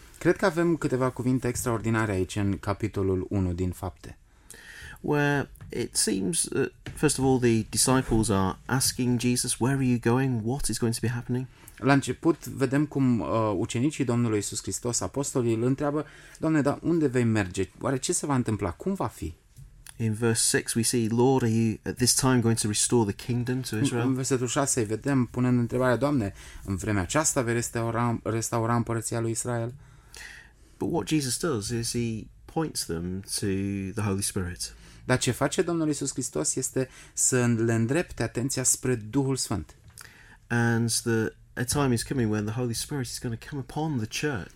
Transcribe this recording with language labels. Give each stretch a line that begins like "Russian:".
Romanian: Cred că avem câteva cuvinte extraordinare aici în capitolul 1 din Fapte.
English: Where it seems that, first of all, the disciples are asking Jesus, where are you going? What is going to be happening?
Romanian: La început vedem cum ucenicii Domnului Iisus Hristos, apostolii, îl întreabă, Doamne, dar unde vei merge? Oare ce se va întâmpla? Cum va fi?
English: In verse 6 we see, Lord, are you at this time going to restore the kingdom to Israel?
Romanian: În versetul 6 vedem punând întrebarea, Doamne, în vremea aceasta vei restaura împărăția lui Israel?
English: But what Jesus does is he points them to the Holy Spirit.
Romanian: Dar ce face Domnul Iisus Hristos este să le îndrepte atenția spre Duhul Sfânt.
English: And the a time is coming when the Holy Spirit is going to come upon the church.